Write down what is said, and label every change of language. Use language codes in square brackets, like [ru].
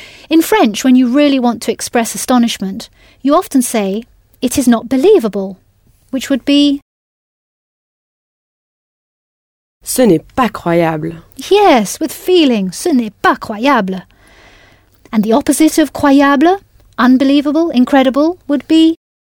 [en] In French, when you really want to express astonishment, you often say, it is not believable, which would be... [fr] ce n'est pas croyable. [en] Yes, with feeling, [fr] ce n'est pas croyable. [en] And the opposite of croyable, unbelievable, incredible, would be?